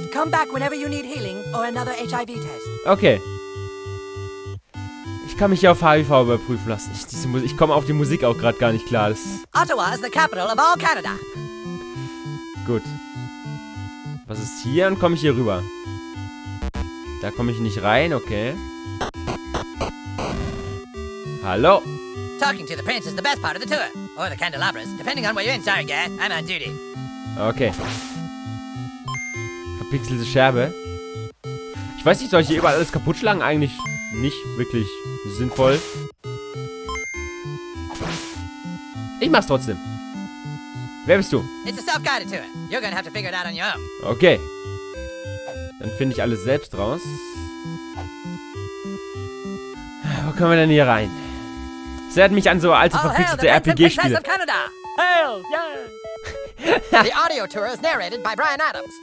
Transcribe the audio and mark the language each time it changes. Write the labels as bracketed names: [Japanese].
[English] Come back whenever you need healing or another HIV test. Okay. [German] Ich kann mich hier auf HIV überprüfen lassen. Ich komme auf die Musik auch gerade gar nicht klar. [English] Ottawa is the capital of all Canada. [German] Gut. Was ist hier? Dann komme ich hier rüber. Da komme ich nicht rein, okay. Hallo? [English] Talking to the prince is the best part of the tour. Or the candelabras. Depending on where you're in, sorry, girl. I'm on duty. [German] Okay. Verpixelte Scherbe. weiß nicht, soll ich hier überall alles kaputt schlagen? Eigentlich nicht wirklich sinnvoll. Ich mach's trotzdem. Wer bist du? [English] It's a self-guided tour. You're gonna have to figure it out on your own. [German] Okay. Dann finde ich alles selbst raus. Wo kommen wir denn hier rein? Das erinnert mich an so alte, verpixelte RPG-Spiele. [English] Hail, yeah. The audio tour is narrated by Brian Adams.